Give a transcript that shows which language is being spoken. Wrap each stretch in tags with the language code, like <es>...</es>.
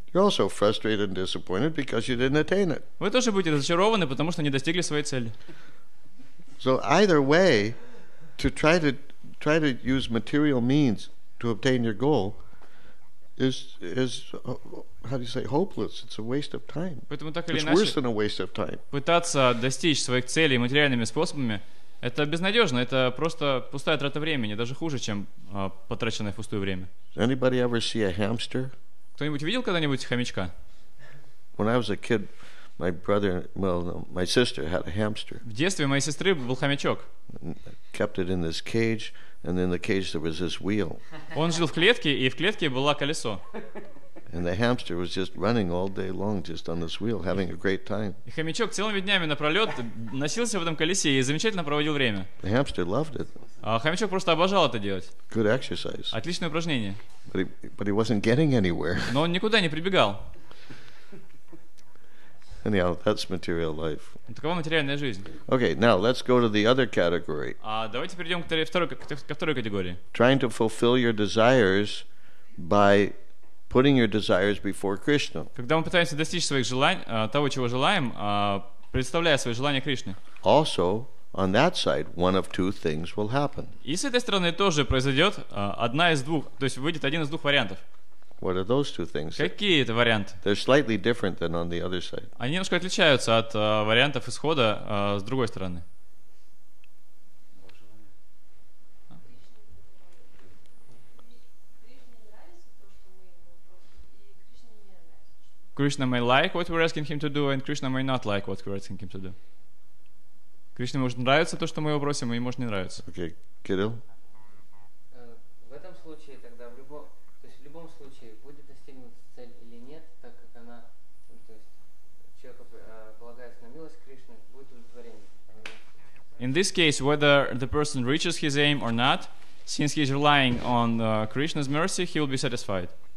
<en>You're also frustrated and disappointed because you didn't attain it.</en> <ru>Вы тоже будете разочарованы, потому что не достигли своей цели.</ru> <en>So either way, to try to use material means to obtain your goal is how do you say hopeless? It's a waste of time.</en> <ru>Поэтому так или иначе.</ru> <en>It's worse than a waste of time.</en> <ru>Пытаться достичь своих целей материальными способами — это безнадежно, это просто пустая трата времени, даже хуже, чем потраченное впустую время.</ru> <en>Anybody ever see a hamster?</en> <ru>Кто-нибудь видел когда-нибудь хомячка?</ru> <en>When I was a kid, my sister had a hamster.</en> <ru>В детстве моей сестры был хомячок.</ru> <en>Kept it in this cage, and in the cage there was this wheel.</en> <ru>Он жил в клетке, и в клетке было колесо.</ru> <en>And the hamster was just running all day long, just on this wheel, having a great time.</en> <ru>И хомячок целыми днями напролет носился в этом колесе и замечательно проводил время.</ru> <en>The hamster loved it.</en> <ru>А хомячок просто обожал это делать.</ru> <en>Good exercise.</en> <ru>Отличное упражнение.</ru> <en>But he wasn't getting anywhere.</en> <ru>Но он никуда не прибегал.</ru> <en>Anyhow, that's material life.</en> <ru>Такова материальная жизнь.</ru> <en>Okay, now let's go to the other category.</en> <ru>А давайте перейдем ко второй категории.</ru> <en>Trying to fulfill your desires by putting your desires before Krishna.</en> <ru>Когда мы пытаемся достичь своих желаний, того, чего желаем, представляя свои желания Кришне.</ru> <en>Also, on that side, one of two things will happen.</en> <ru>И с этой стороны тоже произойдет одна из двух, то есть выйдет один из двух вариантов.</ru> <en>What are those two things?</en> <ru>Какие это варианты?</ru> <en>They're slightly different than on the other side.</en> <ru>Они немножко отличаются от вариантов исхода с другой стороны.</ru> <en>Krishna may like what we're asking him to do, and Krishna may not like what we're asking him to do.</en> <ru>Кришне может нравиться то, что мы его просим, и может не нравиться.</ru> <en>Okay, Кирилл.</en> <ru>В этом случае тогда в любом случае будет достигнута цель или нет, так как она, то есть человек полагается на милость Кришны, будет удовлетворение.</ru> <en>In this case, whether the person reaches his aim or not, since he is relying on Krishna's mercy, he will be satisfied.</en>